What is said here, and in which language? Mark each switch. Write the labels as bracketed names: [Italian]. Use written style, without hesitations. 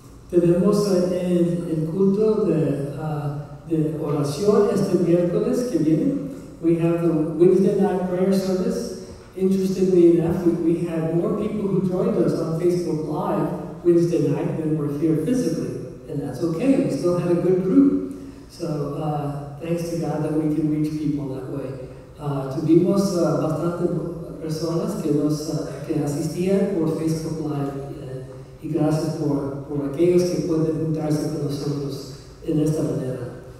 [Spanish] Tenemos el culto de oración este miércoles que viene. [English] We have the Wednesday night prayer service. Interestingly enough, we had more people who joined us on Facebook Live Wednesday night than were here physically. And that's okay. We still had a good group. So thanks to God that we can reach people that way. [Spanish] Tuvimos bastante personas que asistían por Facebook Live. Y gracias por aquellos que pueden juntarse con nosotros en esta manera.